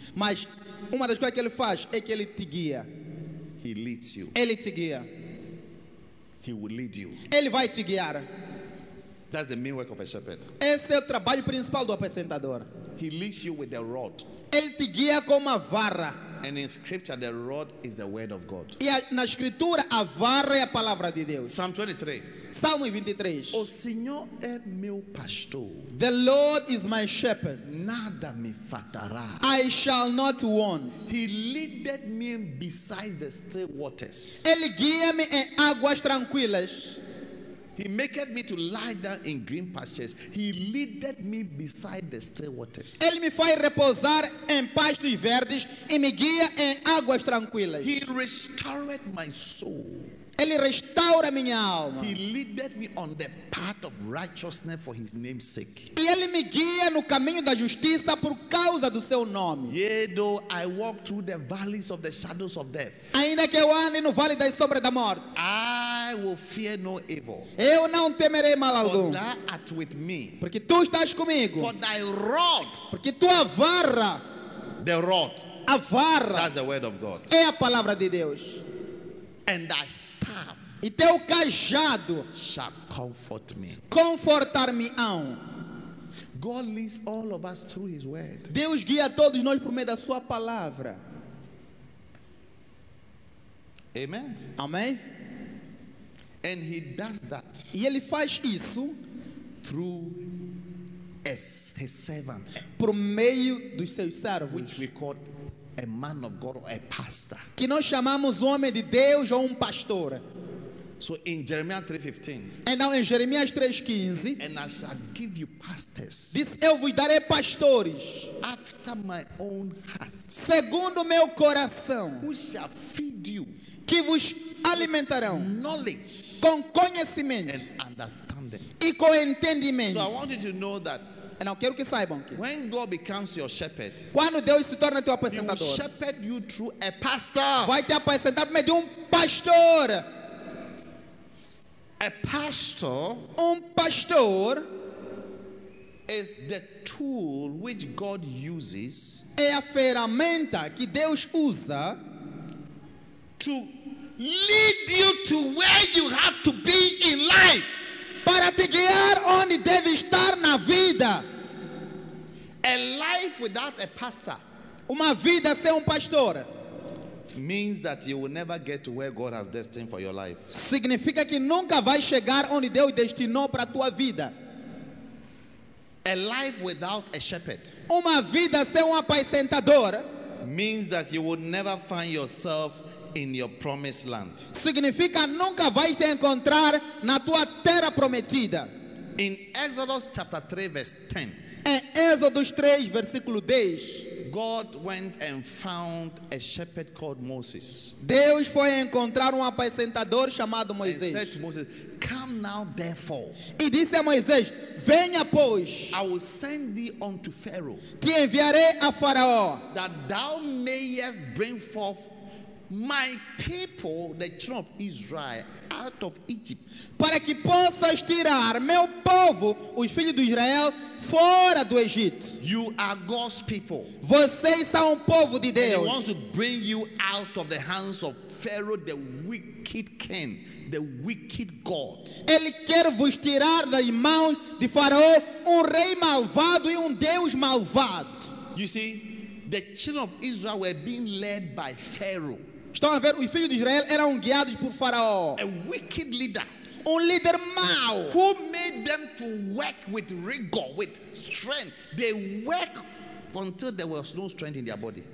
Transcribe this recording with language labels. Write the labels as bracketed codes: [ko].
[pt] Mas uma das coisas que ele faz é que ele te guia. [en] He leads you. [pt] Ele te guia. [en] He will lead you. [pt] Ele vai te guiar. [en] That's the main work of a shepherd. [pt] Esse é o trabalho principal do apacentador. [en] He leads you with a rod. [pt] Ele te guia com uma vara. [en] And in scripture the rod is the word of God. [pt] E na escritura a vara é a palavra de Deus. [en] Psalm 23. [pt] Salmo 23. O Senhor é meu pastor. [en] The Lord is my shepherd. [pt] Nada me faltará. [en] I shall not want. He leadeth me beside the still waters. [pt] Ele guia-me em águas tranquilas. [en] He maketh me to lie down in green pastures. He leadeth me beside the still waters. [pt] Ele me faz repousar em pastos verdes e me guia em águas tranquilas. [en] He restoreth my soul. [pt] Ele restaura minha alma. [en] He leadeth me on the path of righteousness for his name's sake. [pt] E ele me guia no caminho da justiça por causa do seu nome. [en] Yea, though I walk through the valleys of the shadows of death. [pt] Ainda que eu ande no vale da sombra da morte. [en] I will fear no evil. [pt] Eu não temerei mal algum. [en] For thou art with me. [pt] Porque tu estás comigo. [en] For thy rod. [pt] Porque tua vara. [en] The rod. [pt] A vara. [en] That's the word of God. [pt] É a palavra de Deus. [en] And thy staff. [pt] E teu cajado. [en] Shall comfort me. [pt] Confortar-me-ão. [en] God leads all of us through His word. [pt] Deus guia todos nós por meio da Sua palavra. [en] Amen. [pt] Amém. [en] And he does that. [pt] E ele faz isso [en] through his servant, [pt] por meio dos seus servos, [en] which we call a man of God or a pastor. [pt] Que nós chamamos homem de Deus ou pastor. [en] So in Jeremiah 3:15. And now in Jeremiah 3:15. And I shall give you pastors. [pt] Diz, eu vos darei pastores. [en] After my own heart. [pt] Segundo meu coração. [en] Who shall feed you? [pt] Que vos alimentarão. [en] Knowledge. [pt] Com conhecimento. [en] And understanding. [pt] E com entendimento. [en] So I want you to know that. [pt] E não quero que saibam que. [en] When God becomes your shepherd. [pt] Quando Deus se torna teu apacentador. [en] He will shepherd you through a pastor. [pt] Vai te apacentar por meio de pastor. [en] A pastor, [pt] pastor [en] is the tool which God uses, [pt] é a ferramenta que Deus usa [en] to lead you to where you have to be in life, [pt] para te guiar onde deve estar na vida. [en] A life without a pastor, [pt] uma vida sem pastor, [en] means that you will never get to where God has destined for your life. [pt] Significa que nunca vai chegar onde Deus destinou para tua vida. [en] A life without a shepherd, [pt] uma vida sem apacentador, [en] means that you will never find yourself in your promised land. [pt] Significa nunca vai te encontrar na tua terra prometida. [en] In Exodus chapter 3 verse 10. [pt] Em Êxodo 3 versículo 10. [en] God went and found a shepherd called Moses. [pt] Deus foi encontrar apacentador chamado Moisés. [en] And said to Moses, "Come now, therefore." [pt] E disse a Moisés, venha pois. [en] I will send thee unto Pharaoh. [pt] Te enviarei a Faraó. [en] That thou mayest bring forth my people, the children of Israel, out of Egypt. [pt] Para que possas tirar meu povo, os filhos de Israel, fora do Egito. [en] You are God's people. [pt] Vocês são povo de Deus. [en] And he wants to bring you out of the hands of Pharaoh, the wicked king, the wicked god. [pt] Ele quer vos tirar das mãos de Faraó, rei malvado e Deus malvado. [en] You see, the children of Israel were being led by Pharaoh. [pt] Estão a ver, os filhos de Israel eram guiados por Faraó. [en] A wicked leader. [pt] Líder mau. [en] Who made them to work with rigor, with strength. They work until there was no strength in their body.